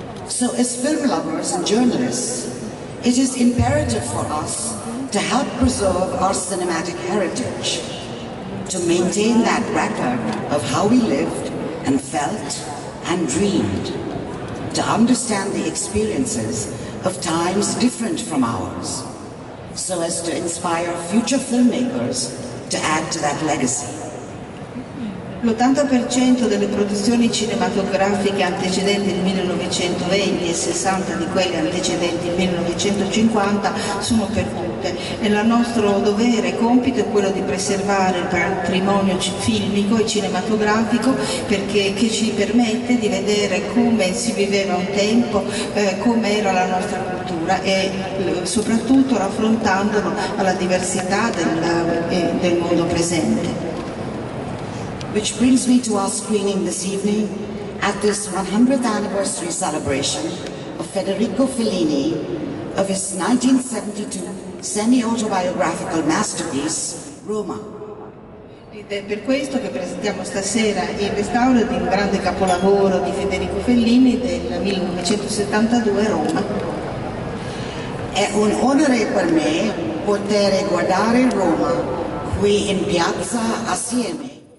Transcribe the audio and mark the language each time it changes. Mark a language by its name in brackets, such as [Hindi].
[English] So as film lovers and journalists, it is imperative for us to help preserve our cinematic heritage, to maintain that record of how we lived and felt and dreamed, to understand the experiences of times different from ours, so as to inspire future filmmakers to add to that legacy. [Italian] L'80% delle produzioni cinematografiche antecedenti il 1920 e 60% di quelle antecedenti il 1950 sono perdute, e il nostro dovere e compito è quello di preservare il patrimonio filmico e cinematografico, perché che ci permette di vedere come si viveva un tempo, come era la nostra cultura, e soprattutto raffrontandolo alla diversità del mondo presente. [English] Which brings me to our screening this evening at this 100th anniversary celebration of Federico Fellini, of his 1972 semi-autobiographical masterpiece, Roma. [Italian] Ed è per questo che presentiamo stasera il restauro di un grande capolavoro di Federico Fellini del 1972, Roma. È un onore per me poter guardare Roma qui in piazza assieme.